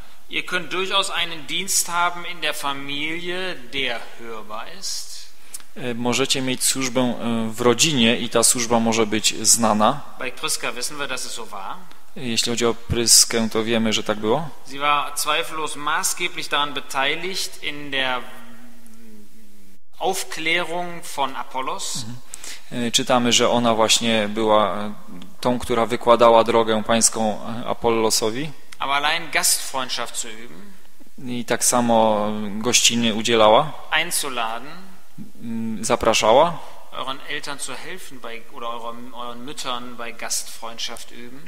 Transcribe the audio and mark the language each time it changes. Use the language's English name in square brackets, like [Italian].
[German] Ihr könnt durchaus einen Dienst haben in der Familie, der hörbar ist. [Polish] Możecie mieć służbę w rodzinie i ta służba może być znana. [German] Bei Priska wissen wir, dass es so war. [Polish] Jeśli chodzi o Pryskę, to wiemy, że tak było. [German] Sie war zweifellos maßgeblich daran beteiligt in der Aufklärung von Apollos. [Polish] Czytamy, że ona właśnie była tą, która wykładała drogę pańską Apollosowi. [German] Aber allein Gastfreundschaft zu üben. [Polish] I tak samo gościny udzielała. [German] Einzuladen. [Polish] Zapraszała. [German] Euren Eltern zu helfen bei, oder euren Müttern bei Gastfreundschaft üben.